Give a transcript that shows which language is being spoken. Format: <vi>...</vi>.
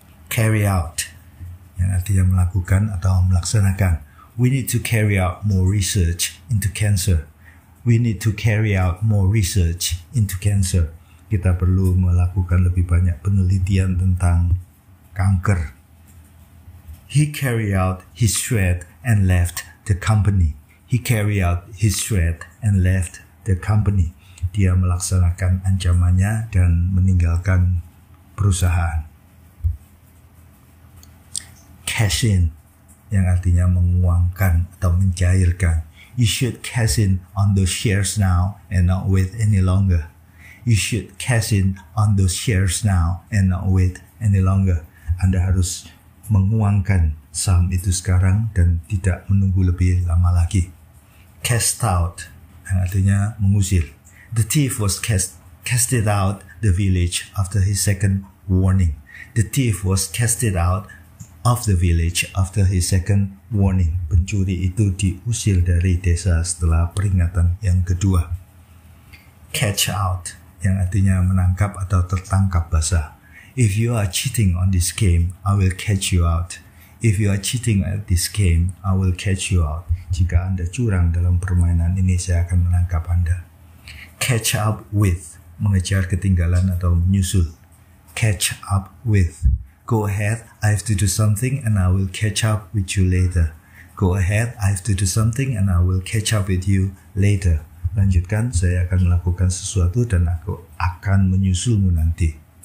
<id>Carry out, yang artinya melakukan atau melaksanakan.</id> <en>We need to carry out more research into cancer. We need to carry out more research into cancer.</en> <id>Kita perlu melakukan lebih banyak penelitian tentang kanker.</id> <en>He carried out his threat and left the company. He carried out his threat and left the company.</en> <id>Dia melaksanakan ancamannya dan meninggalkan perusahaan. Cash in, yang artinya menguangkan atau mencairkan.</id> <en>You should cash in on those shares now and not wait any longer. You should cash in on those shares now and not wait any longer.</en> <id>Anda harus menguangkan saham itu sekarang dan tidak menunggu lebih lama lagi. Cast out, yang artinya mengusir.</id> <en>The thief was casted out the village after his second warning. The thief was casted out of the village after his second warning.</en> <id>Pencuri itu diusir dari desa setelah peringatan yang kedua.</id> <en>Catch out,</en> <id>yang artinya menangkap atau tertangkap basah.</id> <en>If you are cheating on this game, I will catch you out. If you are cheating at this game, I will catch you out.</en> <id>Jika Anda curang dalam permainan ini, saya akan menangkap Anda. Catch up with, mengejar ketinggalan atau menyusul.</id> <en>Catch up with. Go ahead, I have to do something and I will catch up with you later. Go ahead, I have to do something and I will catch up with you later.</en> <id>Lanjutkan, saya akan melakukan sesuatu dan aku akan menyusulmu nanti.</id>